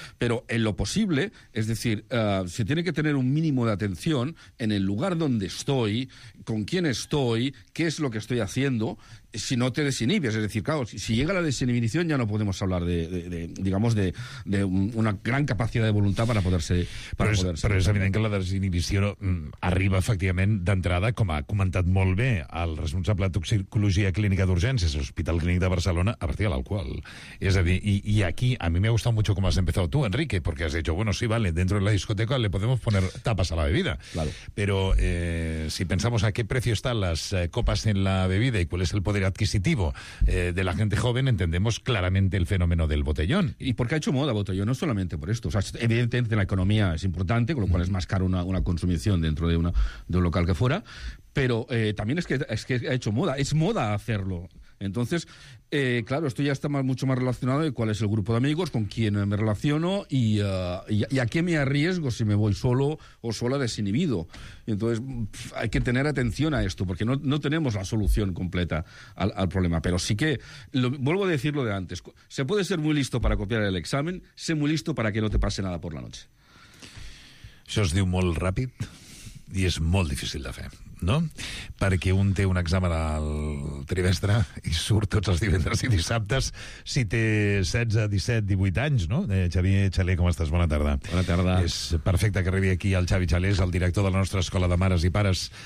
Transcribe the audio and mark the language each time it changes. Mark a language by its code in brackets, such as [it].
[es] Pero en lo posible, es decir, se tiene que tener un mínimo de atención en el lugar donde estoy, con quién estoy, qué es lo que estoy haciendo, si no te desinhibes. Es decir, claro, si llega la desinhibición ya no podemos hablar de una gran capacidad de voluntad para poderse... [ca] Però és evident que la desinhibició arriba, efectivament, d'entrada, com ha comentat molt bé el responsable de toxicologia clínica d'urgències, l'Hospital Clínic de Barcelona, a partir de l'alcohol. És a dir, i aquí, a mi m'ha gustat [es] mucho com has empezado tú, Enrique, porque has dicho, bueno, sí, vale, dentro de la discoteca le podemos poner tapas a la bebida. Claro. Pero si pensamos a qué precio están las copas en la bebida y cuál es el poder adquisitivo de la gente joven, entendemos claramente el fenómeno del botellón. ¿Y por qué ha hecho moda botellón? No solamente por esto. O sea, evidentemente la economía es importante, con lo cual es más caro una consumición dentro de un local que fuera, pero también es que ha hecho moda. Es moda hacerlo. Entonces, claro, esto ya está mucho más relacionado de cuál es el grupo de amigos, con quién me relaciono y a qué me arriesgo si me voy solo o sola desinhibido. Entonces, hay que tener atención a esto, porque no tenemos la solución completa al problema. Pero sí que, vuelvo a decir lo de antes, se puede ser muy listo para copiar el examen, sé muy listo para que no te pase nada por la noche. [ca] Això es diu molt ràpid i és molt difícil de fer. No? Perquè un té un examen al trimestre i surt tots els divendres i dissabtes si té 16, 17, 18 anys, no? Xavier Chalé, com estàs? Bona tarda. Bona tarda. És perfecte que arribi aquí el Xavi Chalé, és el director de la nostra escola de mares i pares.